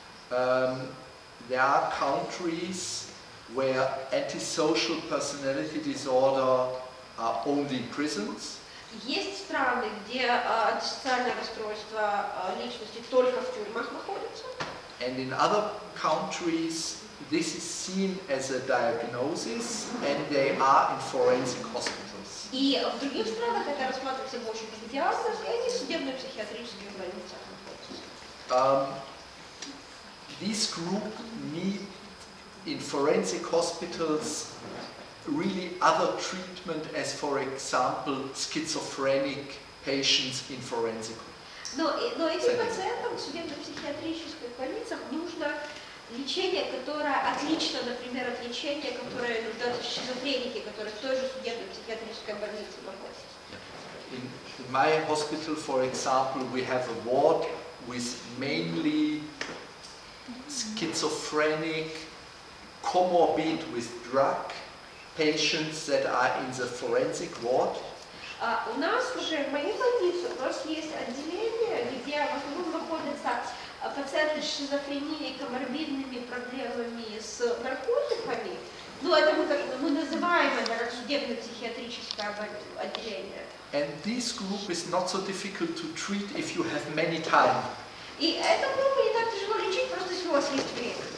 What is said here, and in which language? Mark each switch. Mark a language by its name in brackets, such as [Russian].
[English] There are countries where antisocial personality disorder are only in prisons. [Russian] Есть страны, где антисоциальное расстройство личности только в тюрьмах находится. [English] And in other countries, this is seen as a diagnosis, and they are in forensic hospitals. [Russian] И в других странах это рассматривается больше как диагноз, и они в судебно-психиатрических больницах находятся. [English] This group need in forensic hospitals really other treatment as, for example, schizophrenic patients in forensic. [Russian] Но этим пациентам в судебно-психиатрических больницах нужно лечение, которое отлично, например, от лечения, которое нуждаются шизофреники, которые в той же судебно-психиатрической больнице находятся. [English] In my hospital, for example, we have a ward with mainly schizophrenic, comorbid with drug patients that are in the forensic ward. [Russian] У нас уже в моей больнице у нас есть отделение, где в основном находятся пациенты с шизофренией, коморбидными проблемами с наркотиками. Ну это мы называем это судебно-психиатрическое отделение. [English] And this group is not so difficult to treat if you have many time. [Russian] И эту группу не так тяжело лечить, просто если у вас есть время.